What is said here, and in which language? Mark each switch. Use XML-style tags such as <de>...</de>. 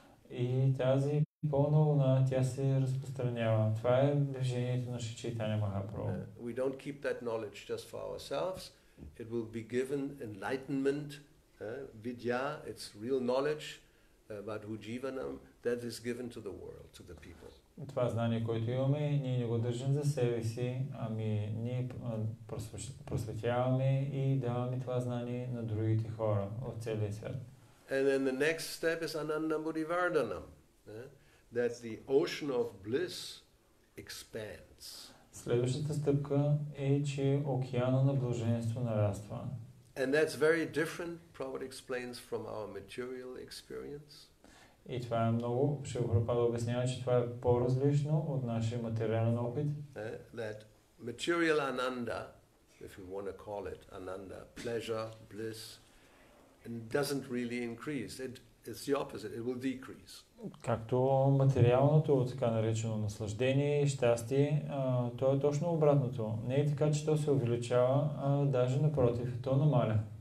<bg>И тази пълна луна, тя се разпространява. Това е движението на Чайтанья Махапрабху.</bg> <en>We don't keep that knowledge just for ourselves. It will be given enlightenment, vidya, it's real knowledge, vadhu jivanam, that is given to the world, to the people.</en> <bg>Това знание, което имаме, ние не го държим за себе си, ами ние просветяваме и даваме това знание на другите хора от целия свят.</bg> <en>And then the next step is Anandamuri Vardhanam, that the ocean of bliss expands.</en> <bg>Следващата стъпка е, че океана на блаженство нараства.</bg> <en>And that's very different, Prabhupada explains, from our material experience.</en> <bg>И това е много, Шрила Прабхупада обяснява, че това е по-различно от нашия материален опит.</bg> <en>That material ananda, if you want to call it ananda, pleasure, bliss, and doesn't really increase. It's the opposite, it will decrease.</en> <bg>Както материалното, така наречено наслаждение и щастие, то е точно обратното. Не е така, че то се увеличава, а даже напротив, то намаля.</bg>